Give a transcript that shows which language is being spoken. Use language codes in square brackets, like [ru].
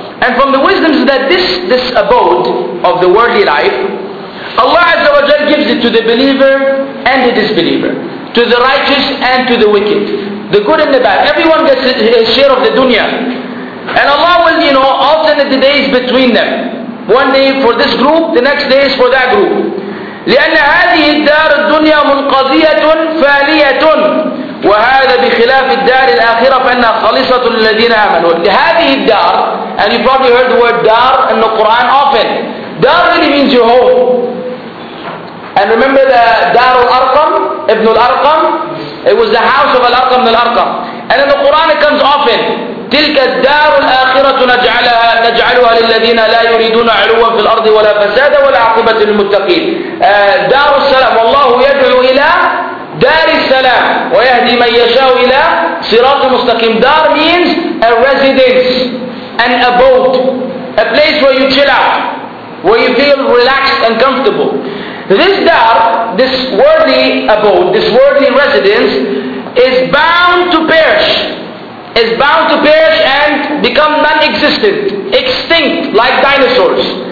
[en] And from the wisdoms that this abode of the worldly life, Allah Azza wa Jal gives it to the believer and the disbeliever, to the righteous and to the wicked, the good and the bad. Everyone gets his share of the dunya. And Allah will, you know, alternate the days between them. One day for this group, the next day is for that group. [ar] لأن هذه الدار الدنيا منقضية فانية وهذا بخلاف الدار الآخرة فإنها خالصة للذين آمنوا. هذه الدار, [en] and you probably heard the word دار in the Quran often. دار really means your home. And remember the دار الأرقم, ابن الأرقم. It was the house of الأرقم بن الأرقم. And in the Quran it comes often. [ar] تلك الدار الآخرة نجعلها للذين لا يريدون علوا في الأرض ولا فسادا ولا عقبة للمتقين. دار السلام, والله يدعو إلى دار السلام ويهدي من يشاء إلى صراط مستقيم. [en] دار means a residence, an abode, a place where you chill out, where you feel relaxed and comfortable. This dar, this worldly abode, this worldly residence is bound to perish. Is bound to perish and become non-existent, extinct like dinosaurs.